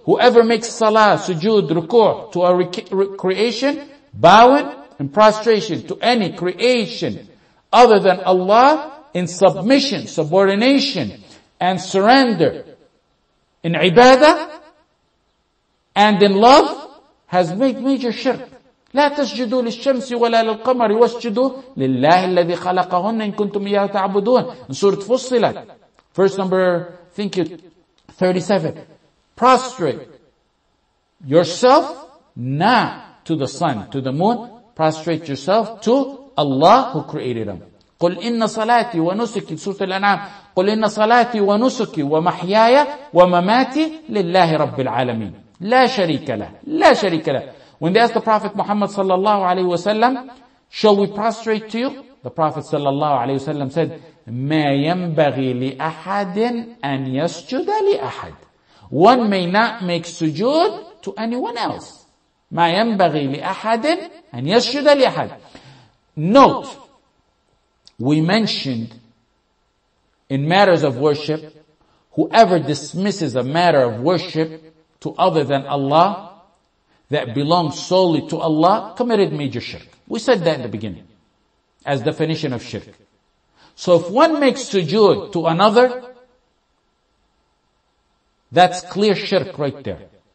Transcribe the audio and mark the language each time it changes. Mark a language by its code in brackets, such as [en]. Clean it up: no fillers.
[en] Whoever makes salah, sujood, ruku' to a creation, bowing and prostration to any creation other than Allah in submission, subordination, and surrender in ibadah and in love, has made major shirk. [ar] لا تسجدوا للشمس ولا للقمر واسجدوا لله الذي خلقهن إن كنتم إياه تعبدون. [en] In Surah Fussilat, verse number, I think it, 37. Prostrate yourself not to the sun, to the moon. Prostrate yourself to Allah who created them. [ar] قل إن صلاتي ونسكي سورة الأنعام قل إن صلاتي ونسكي ومحياي ومماتي لله رب العالمين لا شريك له لا شريك له. [en] When they asked the Prophet Muhammad sallallahu alayhi wasallam, shall we prostrate to you? The Prophet sallallahu alayhi wasallam said, [ar] ما ينبغي لأحد أن يسجد لأحد. [en] One may not make sujood to anyone else. [ar] ما ينبغي لأحد أن يسجد لأحد. [en] Note, we mentioned in matters of worship, whoever dismisses a matter of worship to other than Allah, that belongs solely to Allah, committed major shirk. We said that in the beginning, as definition of shirk. So if one makes sujood to another, that's clear shirk right there.